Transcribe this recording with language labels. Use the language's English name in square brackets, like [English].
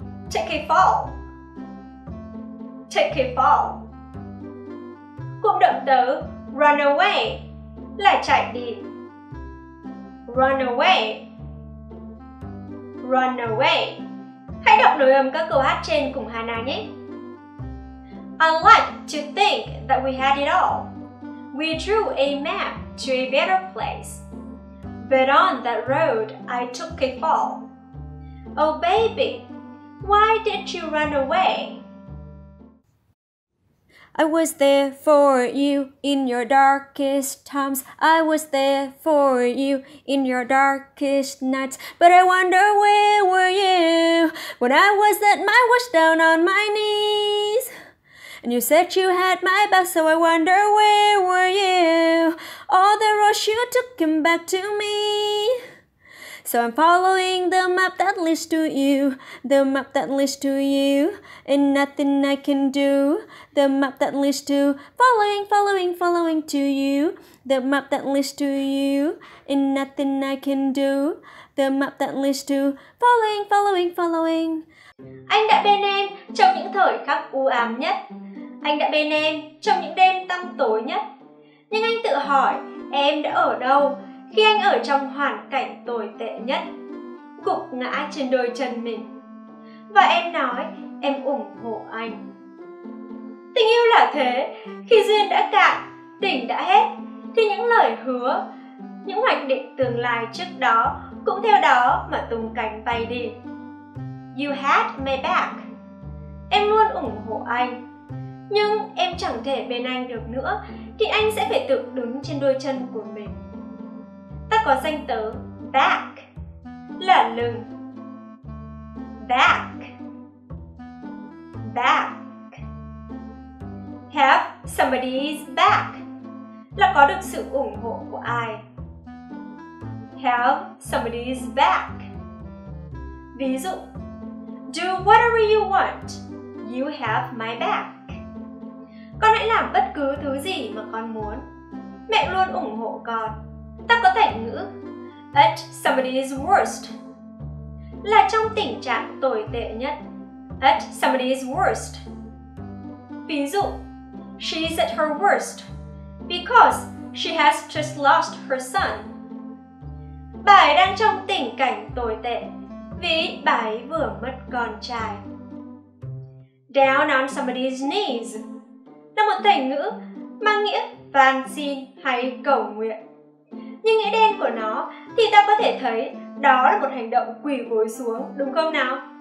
[English] Take a fall, take a fall. [Vietnamese] Cụm động từ [English] run away [Vietnamese] là chạy đi. [English] Run away, run away. [Vietnamese] Hãy đọc nối âm các câu hát trên cùng Hana nhé. [English] I like to think that we had it all. We drew a map to a better place. But on that road, I took a fall. Oh baby, why did you run away? I was there for you in your darkest times. I was there for you in your darkest nights. But I wonder where were you when I was at my worst, down on my knees. And you said you had my back, so I wonder where were you? All the roads you took came back to me. So I'm following the map that leads to you, the map that leads to you, and nothing I can do. The map that leads to following, following, following to you, the map that leads to you, and nothing I can do. The map that leads to following, following, following. [Vietnamese] Anh đã bên em trong những thời khắc u ám nhất. Anh đã bên em trong những đêm tăm tối nhất. Nhưng anh tự hỏi em đã ở đâu khi anh ở trong hoàn cảnh tồi tệ nhất, gục ngã trên đôi chân mình. Và em nói em ủng hộ anh. Tình yêu là thế, khi duyên đã cạn, tình đã hết, thì những lời hứa, những hoạch định tương lai trước đó cũng theo đó mà tung cánh bay đi. [English] You had my back. [Vietnamese] Em luôn ủng hộ anh. Nhưng em chẳng thể bên anh được nữa, thì anh sẽ phải tự đứng trên đôi chân của mình. Ta có danh tớ back, là lưng. [English] Back, back. Have somebody's back, [Vietnamese] là có được sự ủng hộ của ai. [English] Have somebody's back. [Vietnamese] Ví dụ, [English] do whatever you want, you have my back. [Vietnamese] Con hãy làm bất cứ thứ gì mà con muốn, mẹ luôn ủng hộ con. Ta có thể ngữ [English] at somebody's worst, [Vietnamese] là trong tình trạng tồi tệ nhất. [English] At somebody's worst. [Vietnamese] Ví dụ, [English] she's at her worst because she has just lost her son. [Vietnamese] Bà ấy đang trong tình cảnh tồi tệ vì bà ấy vừa mất con trai. [English] Down on somebody's knees, [Vietnamese] là một thành ngữ mang nghĩa van xin hay cầu nguyện. Nhưng nghĩa đen của nó thì ta có thể thấy đó là một hành động quỳ gối xuống, đúng không nào?